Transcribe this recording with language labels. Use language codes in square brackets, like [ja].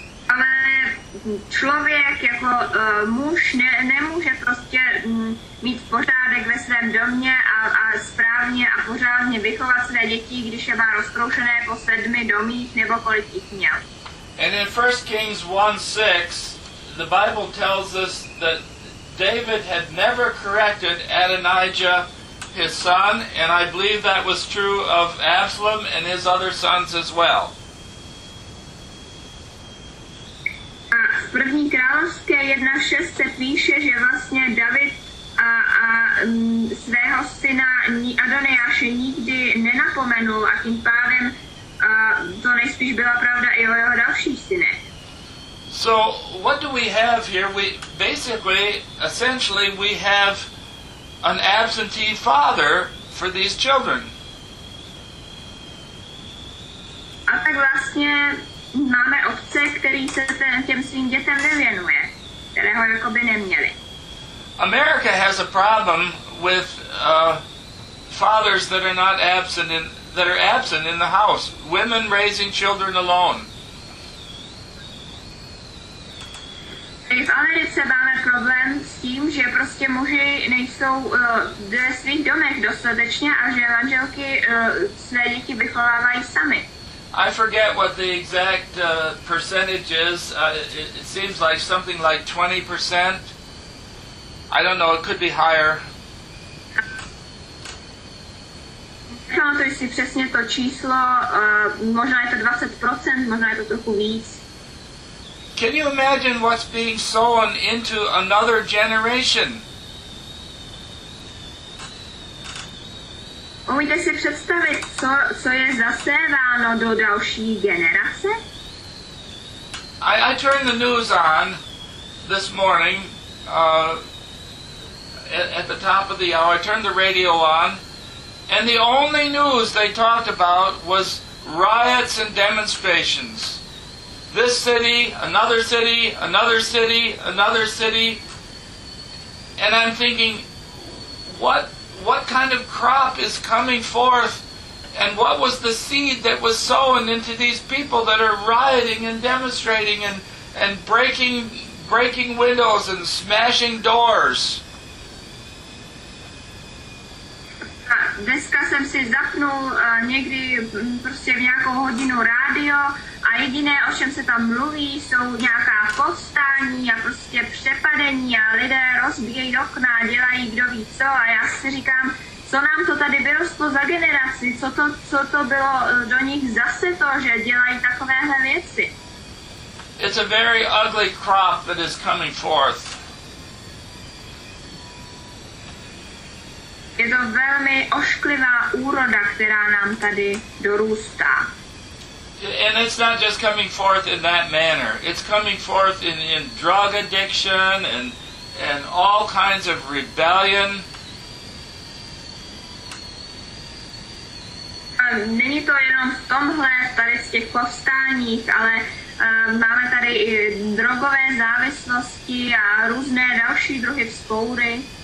[cs] Ale člověk jako muž nemůže prostě mít pořádek ve svém domě a správně a pořádně vychovat své děti, když je má roztroušené po sedmi domích nebo kolik jich měl. [en] And in 1 Kings 1:6, the Bible tells us that David had never corrected Adonijah, his son, and I believe that was true of Absalom and his other sons as well. [cs] A v první královské 1:6 se píše, že vlastně David a svého syna Adonijáše nikdy nenapomenul a tím pádem to nejspíš byla pravda i o jeho dalších synech. [en] So what do we have here? We have an absentee father for these children. [cs] A tak vlastně máme otce, který se těm svým dětem nevěnuje, kterého jakoby neměli. [en] America has a problem with fathers that are not absent in that are absent in the house. Women raising children alone. [cs] V Americe máme problém s tím, že prostě muži nejsou ve svých domech dostatečně a že manželky své děti vychovávají sami. [en] I forget what the exact percentage is. It seems like something like 20%. I don't know, it could be higher. [cs] To je přesně to číslo, možná je to 20%, možná je to trochu víc. [en] Can you imagine what's being sown into another generation? [cs] Umíte si představit, co je zaséváno do další generace? [en] I turned the news on this morning at the top of the hour. I turned the radio on, and the only news they talked about was riots and demonstrations. This city, another city, another city, another city. And I'm thinking, what kind of crop is coming forth, and what was the seed that was sown into these people that are rioting and demonstrating and breaking windows and smashing doors? [cs] Dneska jsem si zapnul někdy prostě v nějakou hodinu rádio a jediné, o čem se tam mluví, jsou nějaká povstání a prostě přepadení a lidé rozbíjejí okna a dělají kdo ví co a já si říkám, co nám to tady vyrostlo za generaci, co to bylo do nich zase to, že dělají takovéhle věci. [en] It's a very ugly crop that is coming forth. [cs] Je to velmi ošklivá úroda, která nám tady dorůstá. [en] And it's not just coming forth in that manner. It's coming forth in drug addiction and all kinds of rebellion. [cs] A není to jenom v tomhle, tady z těch povstáních, ale máme tady i drogové závislosti a různé další druhy vzpoury.